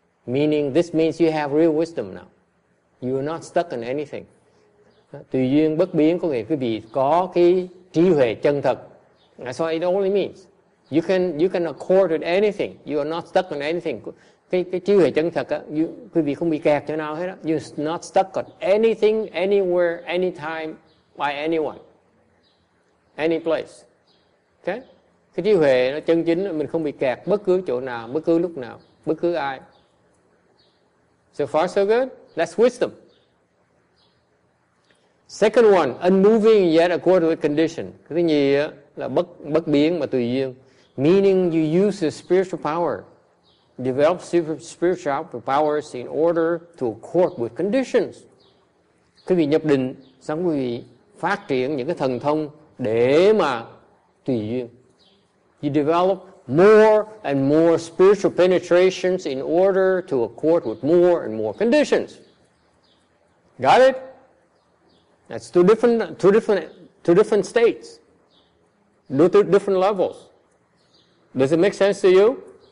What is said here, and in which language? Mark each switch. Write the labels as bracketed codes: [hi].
[en] Meaning, this means you have real wisdom now. You are not stuck in anything. [vi] Tùy duyên bất biến có nghĩa quý vị có cái trí huệ chân thật. [en] That's what it only means. You can accord with anything. You are not stuck on anything. [vi] Cái trí huệ chân thật á, quý vị không bị kẹt chỗ nào hết á. [en] You're not stuck on anything, anywhere, anytime, by anyone. Any place. Okay? [vi] Cái trí huệ nó chân chính, mình không bị kẹt bất cứ chỗ nào, bất cứ lúc nào, bất cứ ai. [en] So far so good? That's wisdom. Second one, unmoving yet according to the condition. [vi] Cái thứ nhì á, là bất biến mà tùy duyên. [en] Meaning you use your spiritual power. Develop spiritual powers in order to accord with conditions. [vi] Quý vị nhập định, xong quý vị phát triển những cái thần thông để mà tùy duyên. [en] You develop more and more spiritual penetrations in order to accord with more and more conditions. Got it? That's two different states. Two different levels. Does it make sense to you?